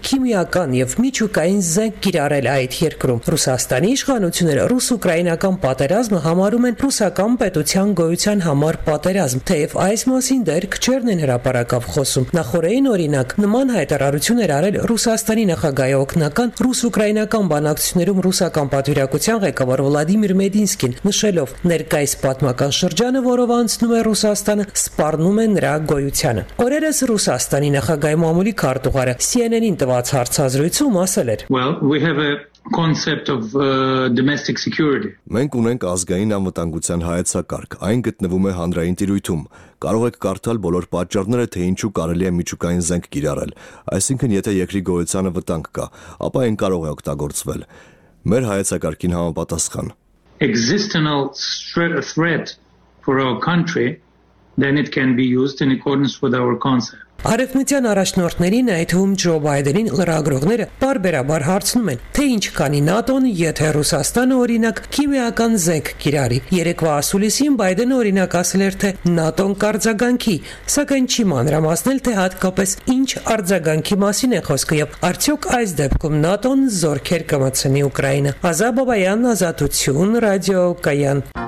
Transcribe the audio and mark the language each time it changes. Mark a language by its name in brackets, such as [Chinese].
[Armenian] քիմիական և միջուկային զենք կիրառել այդ երկրում։ Ռուսաստանի իշխանությունները ռուս-ուկրաինական պատերազմը համարում են ռուսական պետության գոյության համար պատերազմ, թեև այս մասին դեռ քչերն են հրապարակավ խոսում։ Նախորդին, օրինակ, նման հայտարարություն էր արել Ռուսաստանի նախագահի օգնական ռուս-ուկրաինական բանակցություններում ռուսական պատվիրակության ղեկավար Վլադիմիր Մեդինսկին, նշելով, ներկայիս պատմական շրջանը, որով անցնում է Ռուսաստանը, սպառնում է նրա գոյությանը։ Օրերս Ռուսաստանի նախագահի մամուլի քարտուղարը CNN-ին տված հարցազրույցում ասել էր. [English] Concept of domestic security. [Armenian] Մենք ունենք ազգային անվտանգության հայեցակարգ, այն գտնվում է հանրային տիրույթում։ Կարող եք կարդալ բոլոր պատճառները, թե ինչու կարելի է միջուկային զենք կիրառել։ Այսինքն, եթե երկրի գոյությանը վտանգ կա, ապա այն կարող է օգտագործվել։ Մեր հայեցակարգին համապատասխան։ [English] Existential threat for our country, then it can be used in accordance with our concept. [Armenian] Արևմտյան առաջնորդներին, այդ թվում Ջո Բայդենին, լրագրողները պարբերաբար հարցնում են, թե ինչ կանի ՆԱՏՕ-ն, եթե Ռուսաստանը, օրինակ, քիմիական զենք կիրառի։ Երեկվա ասուլիսին Բայդենը, օրինակ, ասել էր, թե ՆԱՏՕ-ն կարձագանքի, սակայն չի մանրամասնել, թե հատկապես ինչ արձագանքի մասին է խոսքը և արդյոք այս դեպքում ՆԱՏՕ-ն զորքեր կմցնի Ուկրաինա։ Ազատ Բաբայան, Ազատություն, Ռադիո Կայան։